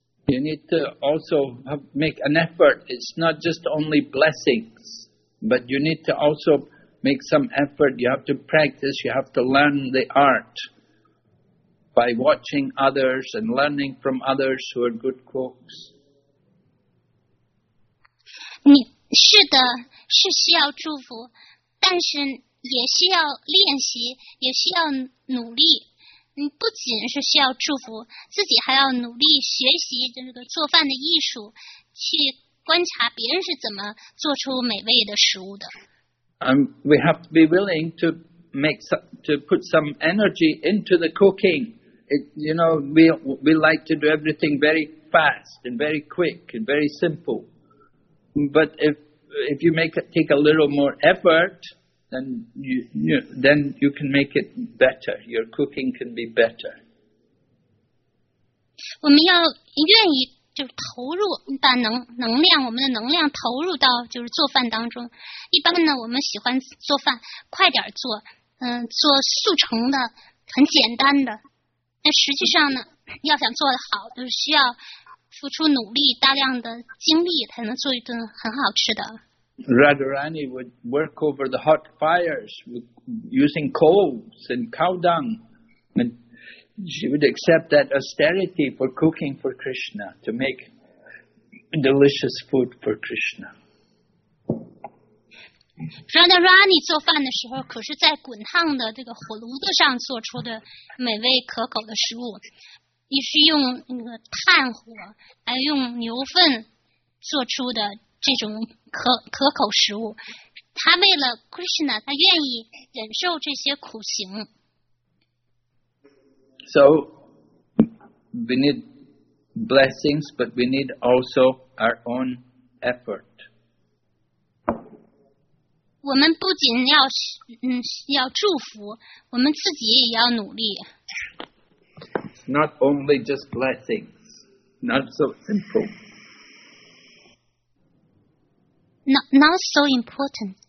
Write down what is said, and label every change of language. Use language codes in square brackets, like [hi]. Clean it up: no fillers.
[en] You need to also make an effort. It's not just only blessings, but you need to also make some effort. You have to practice, you have to learn the art by watching others and learning from others who are good cooks. [zh] 是的，是需要祝福，但是也需要练习，也需要努力。不仅是需要祝福，自己还要努力学习这个做饭的艺术，去观察别人是怎么做出美味的食物的。 [en] We have to be willing to make some, to put some energy into the cooking. You know, we like to do everything very fast and very quick and very simple. But if you make it take a little more effort, then you can make it better. Your cooking can be better. [zh] 我们要愿意就投入把能量我们的能量投入到就是做饭当中。一般呢，我们喜欢做饭快点做，做速成的，很简单的。但实际上呢，要想做得好，就是需要付出努力，大量的精力才能做一顿很好吃的。 [en] Radharani would work over the hot fires using coals and cow dung, and she would accept that austerity for cooking for Krishna to make delicious food for Krishna. [zh] Radharani 做饭的时候可是在滚烫的这个火炉子上做出的美味可口的食物，也是用那个炭火还用牛粪做出的这种可口食物，他为了 Krishna， 他愿意忍受这些苦行。 [en] So we need blessings, but we need also our own effort. [zh] 我们不仅要要祝福，我们自己也要努力。 [en] Not only just blessings, not so simple. Not so important.